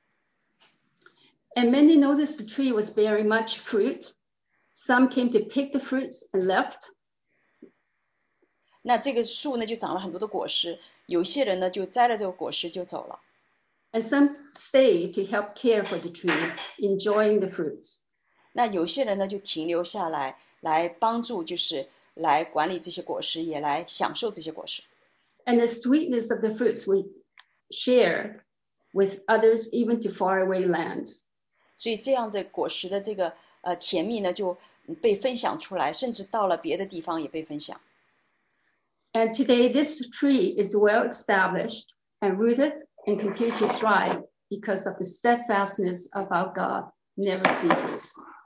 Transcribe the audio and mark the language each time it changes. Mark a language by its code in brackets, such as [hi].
[en] And many noticed the tree was bearing much fruit. Some came to pick the fruits and left. [zh] 那这个树呢就长了很多的果实，有些人呢就摘了这个果实就走了。 [en] And some stayed to help care for the tree, enjoying the fruits. [zh] 那有些人呢就停留下来，来帮助就是。来管理这些果实，也来享受这些果实。 [en] And the sweetness of the fruits we share with others, even to faraway lands. [zh] 所以这样的果实的甜蜜呢，就被分享出来，甚至到了别的地方也被分享。 [en] And today, this tree is well established and rooted and continue to thrive because of the steadfastness of our God never ceases.